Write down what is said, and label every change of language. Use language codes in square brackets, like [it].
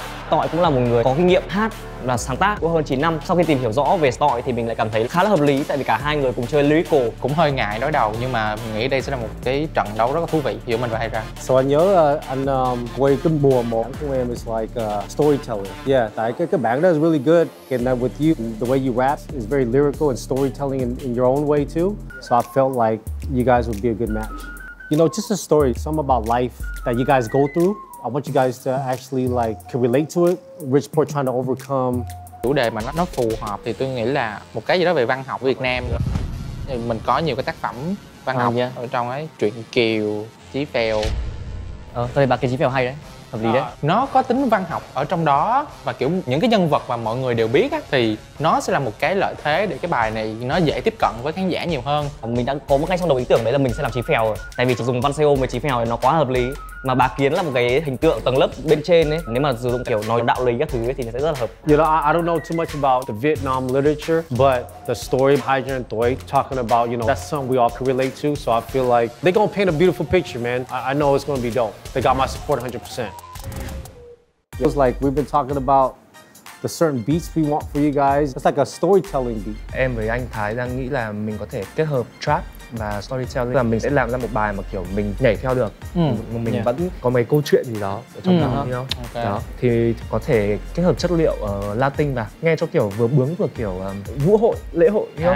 [vi] Stoy cũng là một người có kinh nghiệm hát và sáng tác của hơn 9 năm. Sau khi tìm hiểu rõ về Stoy thì mình lại cảm thấy khá là hợp lý, tại vì cả hai người cùng chơi lyrical. Cũng hơi ngại đối đầu nhưng mà mình nghĩ đây sẽ là một cái trận đấu rất là thú vị giữa mình và hai ra. So anh nhớ anh quay cái mùa một của em [en] is like storytelling. [vi] Yeah, tại cái bản đó [en] is really good. And then with you, the way you rap is very lyrical and storytelling in your own way too. So I felt like you guys would be a good match. You know, just a story, something about life that you guys go through. I want you guys to actually like can relate to it. Rich Poor trying to overcome. [vi] Chủ đề mà nó phù hợp thì tôi nghĩ là một cái gì đó về văn học Việt Nam. Mình có nhiều cái tác phẩm văn học ở trong ấy, truyện Kiều, Chí Phèo. Tôi thấy ba cái Chí Phèo hay đấy, hợp lý đấy. Nó có tính văn học ở trong đó và kiểu những cái nhân vật mà mọi người đều biết á thì nó sẽ là một cái lợi thế để cái bài này nó dễ tiếp cận với khán giả nhiều hơn. Mình đã có một ngay trong đầu ý tưởng đấy là mình sẽ làm Chí Phèo rồi. Tại vì chỉ dùng văn CO với Chí Phèo thì nó quá hợp lý. Mà Bá Kiến là một cái hình tượng tầng lớp bên trên ấy. Nếu mà sử dụng kiểu nói đạo lý các thứ ấy, thì nó sẽ rất là hợp. [en] You know, I don't know too much about the Vietnam literature, but the story of Hai Duong Toi talking about, you know, that's something we all can relate to. So I feel like they're gonna paint a beautiful picture, man. I know it's gonna be dope. They got my support 100%. It was like we've been talking about the certain beats we want for you guys. It's like a storytelling beat. [vi] Em với anh Thái đang nghĩ là mình có thể kết hợp trap và storytelling, là mình sẽ làm ra một bài mà kiểu mình nhảy theo được. Mình vẫn có mấy câu chuyện gì đó ở trong đó, [en] okay. [vi] Đó thì có thể kết hợp chất liệu Latin và nghe cho kiểu vừa bướng vừa kiểu vũ hội, lễ hội, hiểu không?